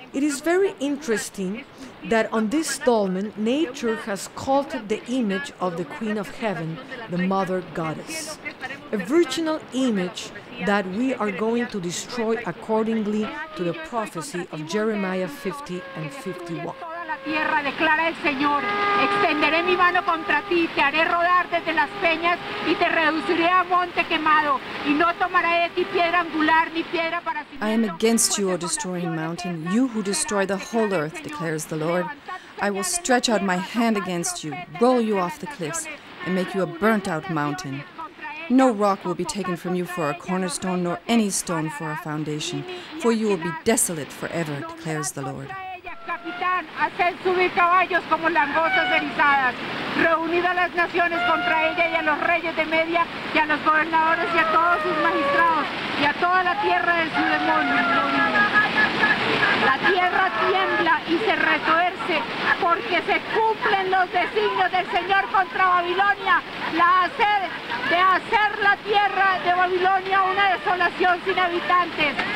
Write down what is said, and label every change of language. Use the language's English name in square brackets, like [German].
[English] It is very interesting that on this dolmen, nature has sculpted the image of the Queen of Heaven, the Mother Goddess, a virginal image that we are going to destroy accordingly to the prophecy of Jeremiah 50 and 51. [Spanish] Tierra, declara el Señor, extenderé mi mano contra ti, te haré rodar desde las peñas y te reduciré a monte quemado, y no tomaré de ti piedra angular ni piedra para cimiento. [English] I am against you, O destroying mountain, you who destroy the whole earth, declares the Lord. I will stretch out my hand against you, roll you off the cliffs, and make you a burnt-out mountain. No rock will be taken from you for a cornerstone, nor any stone for a foundation, for you will be desolate forever, declares the Lord. [Spanish] Capitán, hacen subir caballos como langostas erizadas. Reunid a las naciones contra ella y a los reyes de Media y a los gobernadores y a todos sus magistrados y a toda la tierra de su demonio. La tierra tiembla y se retuerce porque se cumplen los designios del Señor contra Babilonia, de hacer la tierra de Babilonia una desolación sin habitantes.